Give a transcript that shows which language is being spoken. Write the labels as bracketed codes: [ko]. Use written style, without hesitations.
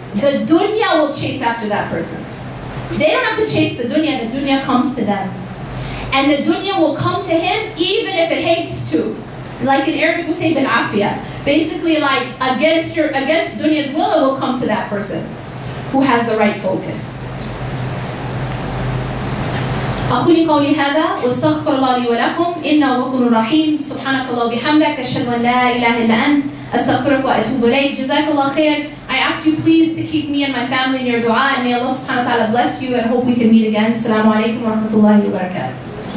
[en] The dunya will chase after that person. They don't have to chase the dunya comes to them. And the dunya will come to him even if it hates to. Like in Arabic we say, bin afia. Basically, like against dunya's will, it will come to that person who has the right focus. [ar] أخوني قولي هذا واستغفر الله لي ولكم إنه غفور رحيم سبحانك الله وبحمدك أشهد أن لا إله إلا أنت أستغفرك وأتوب إليك جزاك الله خير. [en] I ask you please to keep me and my family in your dua, and may Allah subhanahu wa ta'ala bless you, and hope we can meet again. [ar] السلام عليكم ورحمة الله وبركاته.